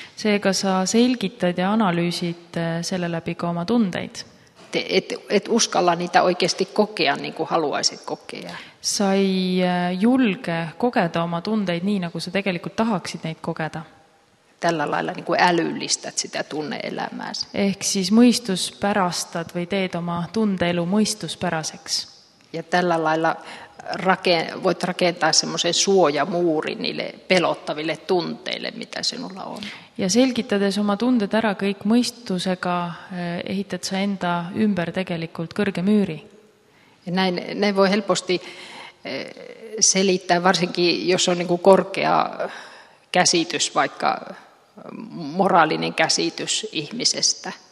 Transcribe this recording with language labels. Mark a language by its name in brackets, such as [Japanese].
[Estonian] Seega sa selgitad ja analyysid selle läbi ka oma tundeid. [Finnish] Et uskalla niitä oikeasti kokea niin kuin haluaisit kokea. [Estonian] Sa ei julge kogeda oma tundeid nii, nagu sa tegelikult tahaksid neid kogeda. [Finnish] Tällä lailla niin kuin älyllistät sitä tunne-elämääsi. [Estonian] Ehk siis mõistuspärastad või teed oma tundeelu mõistuspäraseks. [Finnish] Ja tällä lailla voit rakentaa semmoisen suojamuuri niille pelottaville tunteille, mitä sinulla on. [Estonian] Ja selgitades oma tunded ära kõik mõistusega, ehitad sa enda ümber tegelikult kõrge müüri. [Finnish] Ja näin voi helposti selittää, varsinkin jos on niinku korkea käsitys, vaikka moraalinen käsitys ihmisestä.